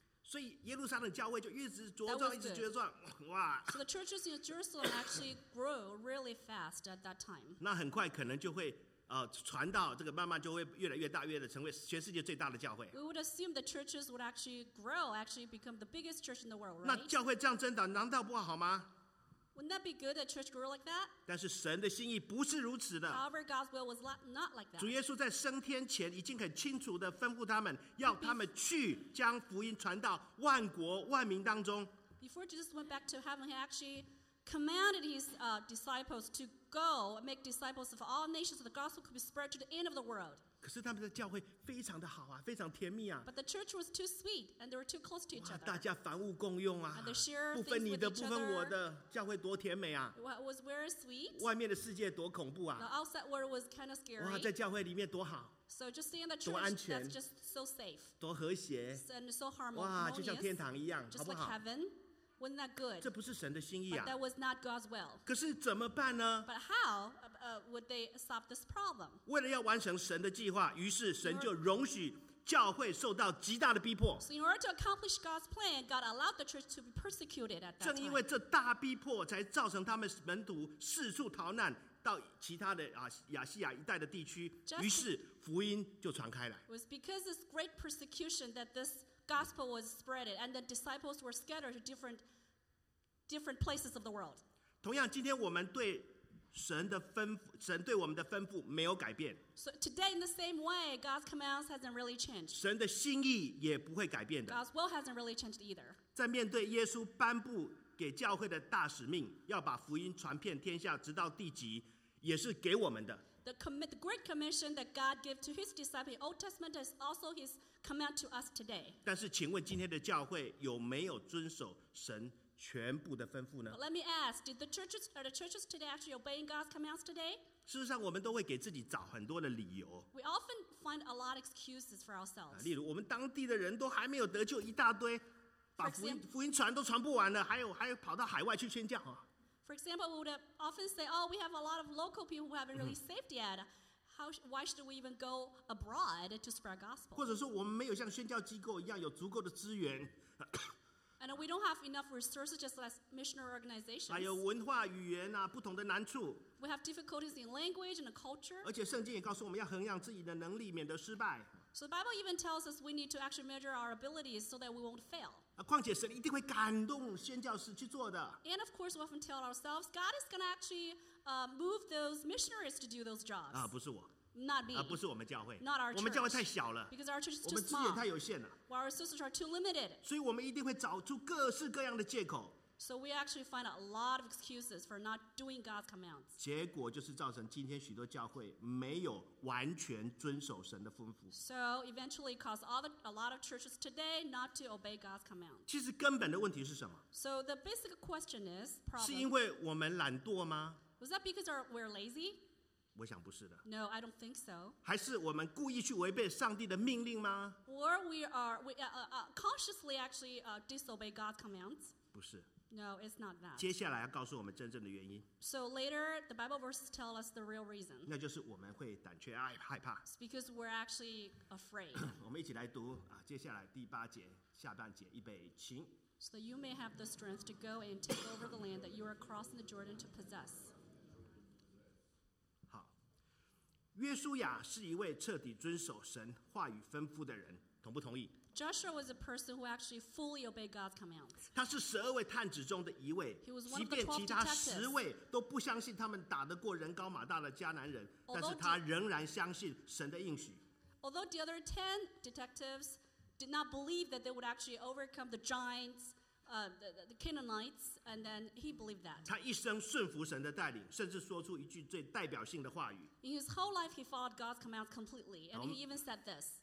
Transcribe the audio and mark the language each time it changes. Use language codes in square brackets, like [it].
[zh] 所以耶路撒冷教会就一直茁壮，一直茁壮，哇！ [en] So the churches in Jerusalem actually grew really fast at that time. [zh] 那很快可能就会。传到这个慢慢就会越来越大，越的成为全世界最大的教会。 [en] We would assume the churches would actually grow, actually become the biggest church in the world, right? [zh] 那教会这样增长，难道不好吗？ [en] Wouldn't that be good that church grew like that? [zh] 但是神的心意不是如此的。 [en] However, God's will was not like that. [zh] 主耶稣在升天前已经很清楚的吩咐他们，要他们去将福音传到万国万民当中。 [en] Before Jesus went back to heaven, he actually commanded his disciples to go and make disciples of all nations so the gospel could be spread to the end of the world. [zh] 可是他们的教会非常的好啊，非常甜蜜啊。 [en] But the church was too sweet and they were too close to each other. [zh] 大家凡物共用啊。 [en] And they share things with each other. [zh] 不分你的，不分我的，教会多甜美啊。 [en] It was very sweet. [zh] 外面的世界多恐怖啊。 [en] The outside world was kind of scary. [zh] 哇，在教会里面多好。 [en] So just seeing the church, that's just so safe. [zh] 多和谐。 [en] And so harmonious. [zh] 哇，就像天堂一样，好不好？ [en] Just like heaven. Wasn't that good? [zh] 这不是神的心意啊。 [en] But that was not God's will. [zh] 可是怎么办呢？ [en] But how would they solve this problem? [zh] 为了要完成神的计划，于是神就容许教会受到极大的逼迫。 [en] So in order to accomplish God's plan, God allowed the church to be persecuted at that time. [zh] 正因为这大逼迫，才造成他们门徒四处逃难到其他的亚细亚一带的地区，于是福音就传开来。 [en] It was because of this great persecution that this. Gospel was spread, and the disciples were scattered to different places of the world. [zh] 同样，今天我们对神的吩咐，神对我们的吩咐没有改变。 [en] So today, in the same way, God's commands hasn't really changed. [zh] 神的心意也不会改变的。 [en] God's will hasn't really changed either. [zh] 在面对耶稣颁布给教会的大使命，要把福音传遍天下，直到地极，也是给我们的。 [en] The great commission that God gave to His disciples, Old Testament, is also His command to us today. [zh] 但是，请问今天的教会有没有遵守神全部的吩咐呢？ [en] Let me ask: Did the churches are the churches today actually obeying God's commands today? [zh] 事实上，我们都会给自己找很多的理由。 [en] We often find a lot of excuses for ourselves. [zh] 例如，我们当地的人都还没有得救，一大堆，把福音传都传不完了，还有跑到海外去宣教啊。 [en] For example, we would often say, oh, we have a lot of local people who haven't really saved yet. Why should we even go abroad to spread gospel? [zh] 或者说我们没有像宣教机构一样有足够的资源。 [en] And we don't have enough resources just as missionary organizations. [zh] 还有文化语言啊，不同的难处。 [en] We have difficulties in language and the culture. [zh] 而且圣经也告诉我们要衡量自己的能力，免得失败。 [en] So the Bible even tells us we need to actually measure our abilities so that we won't fail. [zh] 况且神一定会感动宣教士去做的。 [en] And of course, we often tell ourselves God is going to actually move those missionaries to do those jobs. [zh] 不是我。 [en] Not me. [zh] 不是我们教会。 [en] Not our church. [zh] 我们教会太小了。 [en] Because our church is too small. [zh] 我们资源太有限了。 [en] Our resources are too limited. [zh] 所以我们一定会找出各式各样的借口。 [en] So we actually find a lot of excuses for not doing God's commands. [zh] 结果就是造成今天许多教会没有完全遵守神的吩咐。 [en] So eventually caused a lot of churches today not to obey God's commands. [zh] 其实根本的问题是什么？ [en] So the basic question is, problem, [zh] 是因为我们懒惰吗？ [en] Was that because we're lazy? [zh] 我想不是的。 [en] No, I don't think so. [zh] 还是我们故意去违背上帝的命令吗？ [en] Or we are consciously actually disobey God's commands? [zh] 不是。 [en] No, it's not that. [zh] 接下来要告诉我们真正的原因。 [en] So later, the Bible verses tell us the real reason. [zh] 那就是我们会胆怯害怕。 [en] It's because we're actually afraid. [zh] 我们一起来读啊，接下来第八节下半节，预备，请。 [en] So that you may have the strength to go and take over the land that you are crossing the Jordan to possess. [zh] 好，约书亚是一位彻底遵守神话语吩咐的人，同不同意？ [en] Joshua was a person who actually fully obeyed God's commands. [zh] 他是十二位探子中的一位。 [en] He was one of the [zh] 即便其他十位都不相信他们打得过人高马大的迦南人，但是他仍然相信神的应许。 [en] Although the other 10 detectives did not believe that they would actually overcome the giants, the Canaanites, and then he believed that. [zh] 他一生顺服神的带领，甚至说出一句最代表性的话语。 [en] In his whole life, he followed God's commands completely, and he even said this.